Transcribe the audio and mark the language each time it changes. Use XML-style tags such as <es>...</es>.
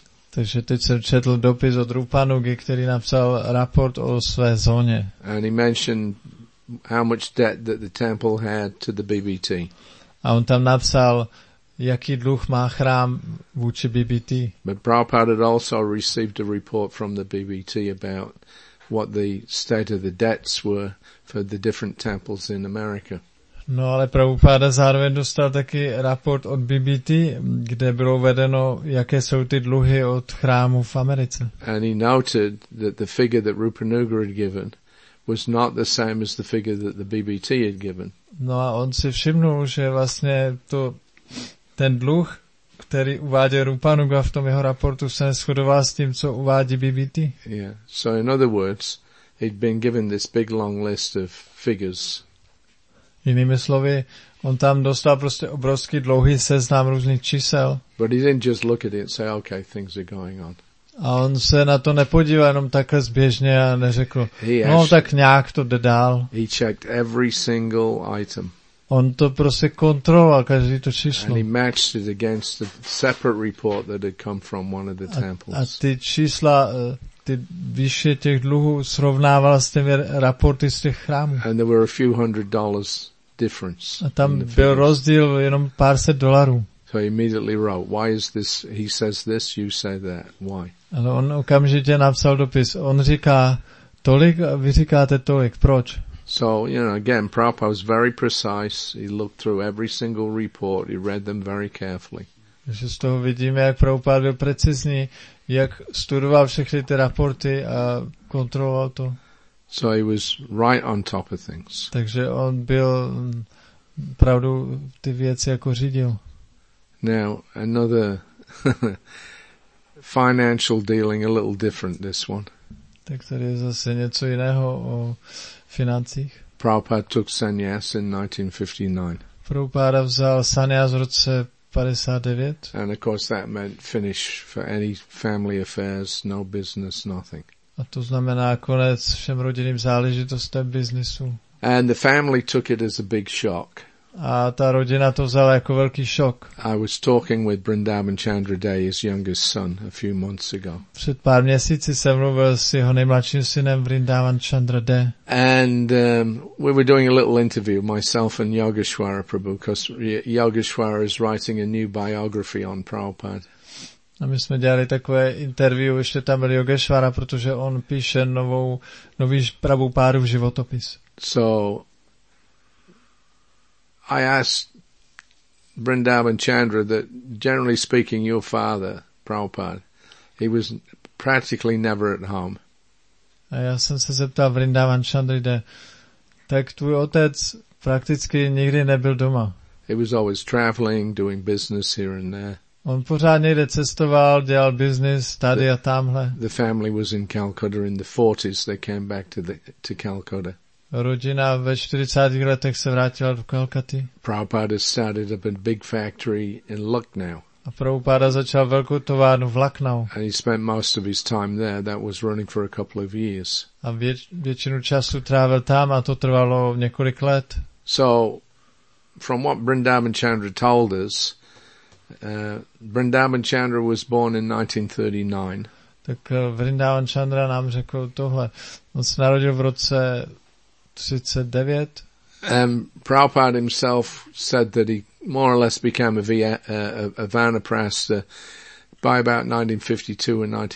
<cs>Takže teď jsem četl dopis od Rupanugy, který napsal report o své zóně.</cs> <en>And he mentioned how much debt that the temple had to the BBT.</en> <cs>A on tam napsal, jaký dluh má chrám vůči BBT.</cs> <en>But Prabhupada had also received a report from the BBT about what the state of the debts were for the different temples in America.</en> <cs>No, ale Prabhupada zároveň dostal taky report od BBT, kde bylo uvedeno, jaké jsou ty dluhy od chrámů v Americe.</cs> <en>And he noted that the figure that Rupanuga had given was not the same as the figure that the BBT had given.</en> <cs>No, a on si všimnul, že vlastně to ten dluh, který uváděl Rupanuga v tom jeho raportu, se neshodoval s tím, co uvádí BBT.</cs> <en>Yeah. So in other words, he'd been given this big long list of figures.</en> <cs>Jinými slovy, on tam dostal prostě obrovský dlouhý seznam různých čísel.</cs> <en>But he didn't just look at it and say, okay, things are going on.</en> <cs>A on se na to nepodíval jenom takhle zběžně a neřekl, no tak nějak to jde dál.</cs> <en>He checked every single item.</en> <cs>On to prostě kontroloval, každý to číslo.</cs> <en>And he matched it against the separate report that had come from one of the temples.</en> <cs>A ty čísla, ty výše těch dluhů srovnával s těmi raporty z těch chrámů.</cs> <en>And there were a few hundred dollars difference.</en> <cs>A tam byl rozdíl jenom pár set dolarů.</cs> <en>So he immediately wrote, why is this, he says this, you say that, why?</en> <cs>Ale on okamžitě napsal dopis. On říká tolik, vy říkáte tolik, proč?</cs> <en>So, you know, again, Prabhupada was very precise. He looked through every single report. He read them very carefully.</en> <cs>Takže z toho vidíme, jak Prabhupada byl precizní, jak studoval všechny ty raporty a kontroloval to.</cs> <en>So he was right on top of things.</en> <cs>Takže on byl pravdu ty věci jako řídil.</cs> <en>Now, another financial dealing, a little different, this one.</en> <cs>Tak tady je zase něco jiného o financích.</cs> <en>Prabhupada took sannyas in 1959.</en> <cs>Prabhupada vzal sannyas v roce 59.</cs> <en>And of course that meant finish for any family affairs, no business, nothing.</en> <cs>A to znamená konec všem rodinným záležitostem biznisu.</cs> <en>And the family took it as a big shock.</en> <cs>A ta rodina to vzala jako velký šok.</cs> <en>I was talking with Brindavan Chandraday, his youngest son, a few months ago.</en> <cs>Před pár měsíci jsem mluvil s jeho nejmladším synem Brindavan Chandraday.</cs> <en>And we were doing a little interview, myself and Yogeshwara Prabhu, because Yogeshwara is writing a new biography on Prabhupada.</en> <cs>A my jsme dělali takové interview, ještě tam byl Yogeshwara, protože on píše nový Prabhupádův životopis.</cs> <en>So I asked Brindavan Chandra that, generally speaking, your father, Prabhupada, he was practically never at home.</en> <cs>A já jsem se zeptal Brindavan Chandra, tak tvůj otec prakticky nikdy nebyl doma.</cs> <en>He was always traveling, doing business here and there.</en> <cs>On pořád někde cestoval, dělal business tady a tamhle.</cs> <en>The family was in Calcutta in the 40s. They came back to Calcutta.</en> <cs>Rodina ve 40. letech se vrátila do Kolkaty.</cs> <en>Prabhupada started up a big factory in Lucknow.</en> <cs>A Prabhupada začal velkou továrnu v Lucknow.</cs> <en>And he spent most of his time there. That was running for a couple of years.</en> <cs>A většinu času trávil tam a to trvalo několik let.</cs> <en>So, from what Brindavan Chandra told us, Brindavan Chandra was born in 1939.</en> <cs>Tak Brindavan Chandra nám řekl tohle. On se narodil v roce 39.</cs> <en>Prabhupada himself said that he more or less became a vanaprastha by about 1952 and</en>